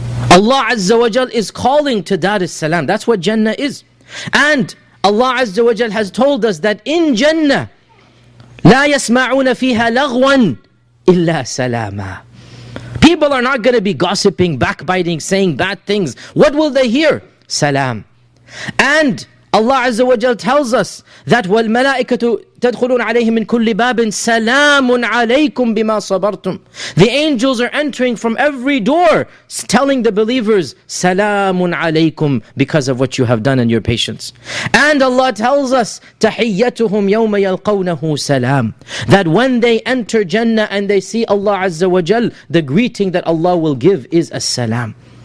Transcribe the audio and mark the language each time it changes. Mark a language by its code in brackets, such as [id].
[en] Allah Azza wa Jal is calling to daris salam. That's what Jannah is. And Allah Azza wa Jal has told us that in Jannah, [ar] لا يسمعون فيها لغوا إلا سلاما. [en] People are not going to be gossiping, backbiting, saying bad things. What will they hear? Salam. And Allah Azza wa Jal tells us that [ar] والملائكة تدخلون عليهم من كل باب سلام عليكم بما صبرتم. [en] The angels are entering from every door telling the believers سلام عليكم because of what you have done and your patience. And Allah tells us [ar] تحيتهم يوم يلقونه سلام. [en] That when they enter Jannah and they see Allah Azza wa Jal, the greeting that Allah will give is as-salam.